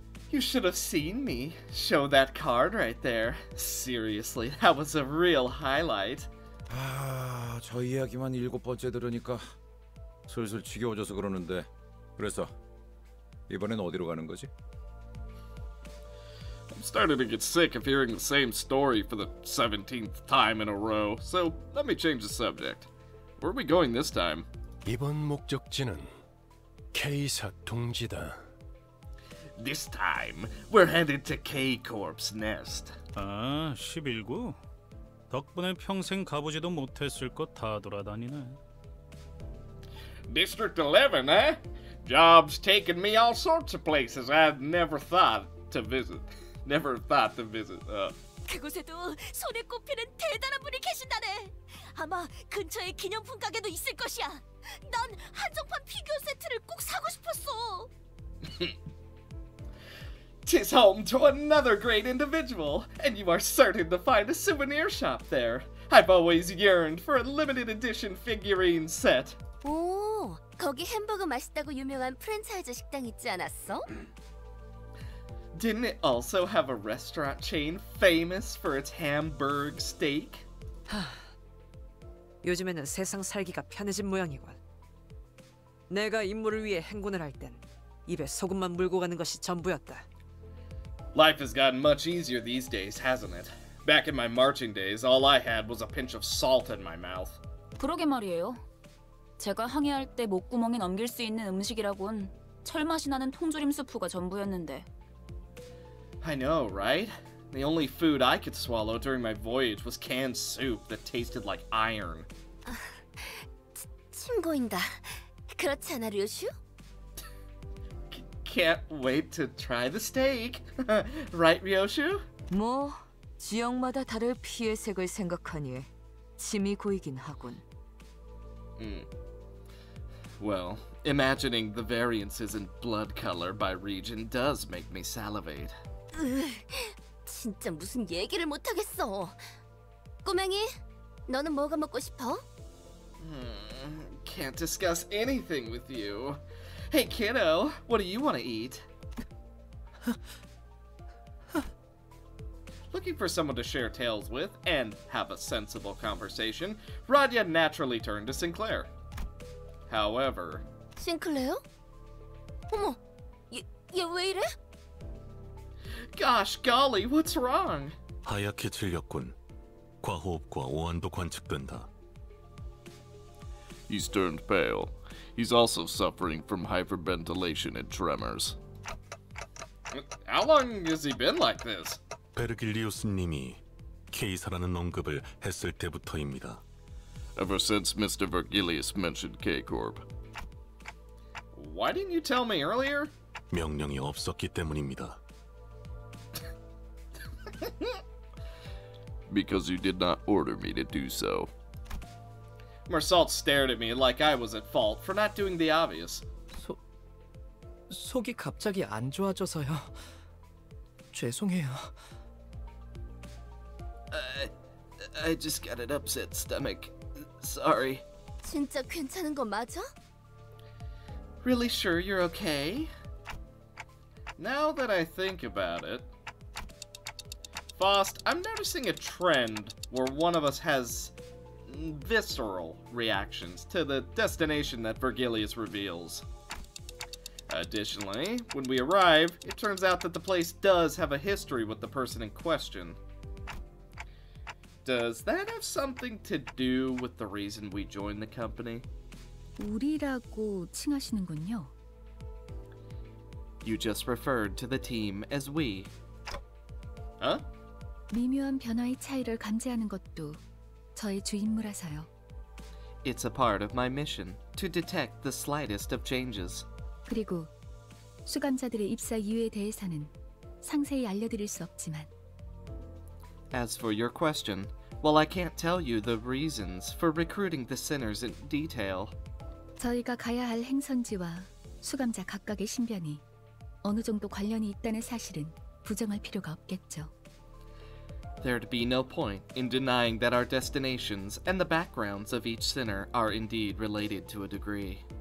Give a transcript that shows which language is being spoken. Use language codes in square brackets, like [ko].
[en] You should have seen me show that card right there. Seriously, that was a real highlight. [ko] 아, 저 이야기만 일곱 번째 들으니까 슬슬 지겨워져서 그러는데 그래서 이번엔 어디로 가는 거지? [en] I'm starting to get sick of hearing the same story for the 17th time in a row, so let me change the subject. Where are we going this time? [ko] 이번 목적지는 K사 동지다. [en] This time, we're headed to K-Corp's nest. [ko] 아, 11구? 덕분에 평생 가보지도 못했을 것 다 돌아다니네. [en] District 11, eh? Job's taken me all sorts of places I'd never thought to visit. Never thought to visit. [ko] 그곳에도 손에 꼽히는 대단한 분이 계신다네. 아마 근처에 기념품 가게도 있을 것이야. 난 한정판 피규어 세트를 꼭 사고 싶었어. [en] Tis home to another great individual, and you are certain to find a souvenir shop there. I've always yearned for a limited edition figurine set. [ko] 오, 거기 햄버거 맛있다고 유명한 프랜차이즈 식당 있지 않았어? [en] Didn't it also have a restaurant chain famous for its Hamburg steak? [ko] 하, 요즘에는 세상 살기가 편해진 모양이군. 내가 임무를 위해 행군을 할 땐 입에 소금만 물고 가는 것이 전부였다. [en] Life has gotten much easier these days, hasn't it? Back in my marching days, all I had was a pinch of salt in my mouth. [ko] 그러게 말이에요. 제가 항해할 때 목구멍에 넘길 수 있는 음식이라곤 철맛이 나는 통조림 수프가 전부였는데. [en] I know, right? The only food I could swallow during my voyage was canned soup that tasted like iron. [ko] 침고인다. 그렇지 않아, 류슈? [en] Can't wait to try the steak. Right, Ryoshu? [ko] 뭐, 지역마다 다들 피의 색을 생각하니 침이 고이긴 하군. [en] Well, imagining the variances in blood color by region does make me salivate. [ko] 진짜 무슨 얘기를 못하겠어. 꼬맹이, 너는 뭐가 먹고 싶어? [en] Can't discuss anything with you. Hey, kiddo, what do you want to eat? Looking for someone to share tales with and have a sensible conversation, Radya naturally turned to Sinclair. However... [ko] Sinclair? 어머, 얘 왜 이래? [en] Gosh, golly, what's wrong? [ko] 하얗게 질렸군. 과호흡과 오한도 관측된다. [en] He's turned pale. He's also suffering from hyperventilation and tremors. How long has he been like this? [ko] 베르길리우스님이 K사라는 언급을 했을 때부터입니다. [en] Ever since Mr. Virgilius mentioned K-Corp. Why didn't you tell me earlier? [ko] 명령이 없었기 때문입니다. [en] Because you did not order me to do so. Marsalt stared at me like I was at fault for not doing the obvious. [ko] 속이 갑자기 안 좋아져서요. 죄송해요. [en] I just got an upset stomach. Sorry. [ko] 진짜 괜찮은 거 맞아? [en] Really sure you're okay? Now that I think about it... Faust, I'm noticing a trend where one of us has... visceral reactions to the destination that Virgilius reveals. Additionally, when we arrive, it turns out that the place does have a history with the person in question. Does that have something to do with the reason we joined the company? [ko] 우리라고 칭하시는군요. [en] You just referred to the team as we. Huh? [ko] 미묘한 변화의 차이를 감지하는 것도 저의 주임무라서요. [en] It's a part of my mission to detect the slightest of changes. [ko] 그리고 수감자들의 입사 이유에 대해서는 상세히 알려드릴 수 없지만. [en] As for your question, while I can't tell you the reasons for recruiting the sinners in detail, [ko] 저희가 가야 할 행선지와 수감자 각각의 신변이 어느 정도 관련이 있다는 사실은 부정할 필요가 없겠죠. [en] There'd be no point in denying that our destinations and the backgrounds of each sinner are indeed related to a degree.